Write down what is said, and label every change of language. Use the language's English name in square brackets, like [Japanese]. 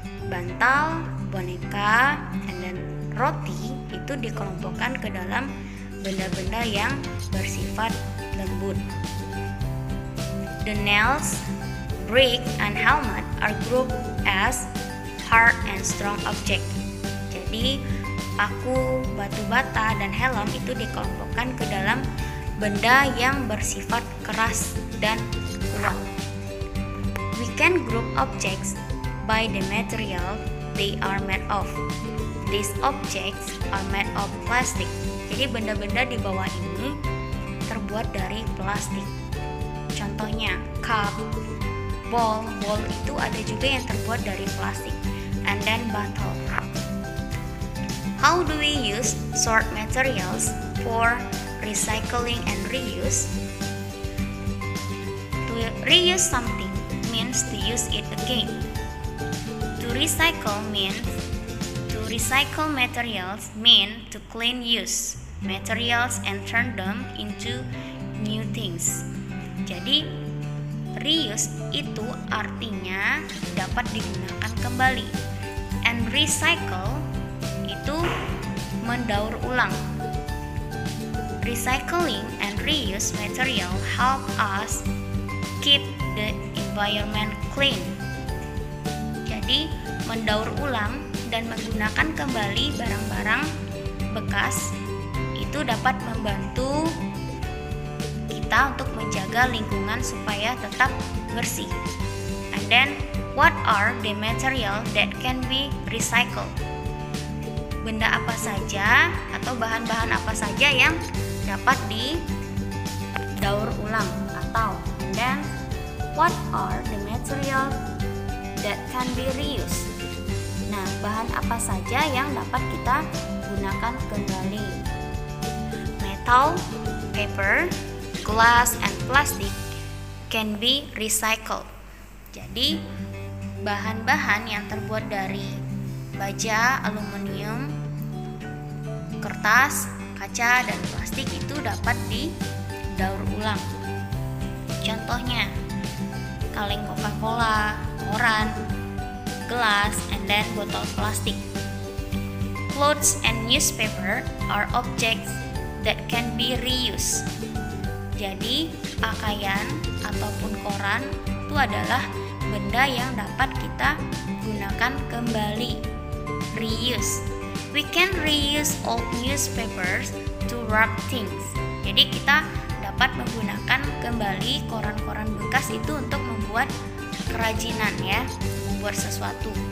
[Indonesian] Bantal, boneka, [English] and then [Indonesian] roti itu dikelompokkan ke dalam benda-benda yang bersifat lembut. [English] The nails, brick, and helmet are grouped as hard and strong object. [Indonesian] Jadi, paku, batu bata, dan helm itu dikelompokkan ke dalam benda yang bersifat keras dan kuat. [English] We can group objects by the material they are made of. These objects are made of plastic. [Indonesian] Jadi benda-benda di bawah ini terbuat dari plastik. Contohnya, cup, ball itu ada juga yang terbuat dari plastik. [English] And then bottle. How do we use sort materials for recycling and reuse? To reuse something means to use it again. To recycle means to recycle materials mean to clean use materials and turn them into new things. [Indonesian] Jadi reuse itu artinya dapat digunakan kembali. [English] And recycle [Indonesian] itu mendaur ulang. [English] Recycling and reuse material help us keep the environment clean. [Indonesian] Jadi, mendaur ulang dan menggunakan kembali barang-barang bekas itu dapat membantu kita untuk menjaga lingkungan supaya tetap bersih. [English] And then, what are the material that can be recycled? [Indonesian] Benda apa saja atau bahan-bahan apa saja yang dapat didaur ulang atau [English] and then what are the material that can be reused? [Indonesian] Nah, bahan apa saja yang dapat kita gunakan kembali? [English] Metal, paper, glass, and plastic can be recycled. [Indonesian] Jadi, bahan-bahan yang terbuat dari baja, aluminium, kertas, kaca, dan plastik itu dapat didaur ulang. Contohnya, kaleng Coca-Cola, koran, gelas, [English] and then [Indonesian] botol plastik. [English] Clothes and newspaper are objects that can be reused. [Indonesian] Jadi, pakaian ataupun koran itu adalah benda yang dapat kita gunakan kembali. Reuse. [English] We can reuse old newspapers to wrap things. [Indonesian] Jadi kita dapat menggunakan kembali koran-koran bekas itu untuk membuat kerajinan ya, membuat sesuatu.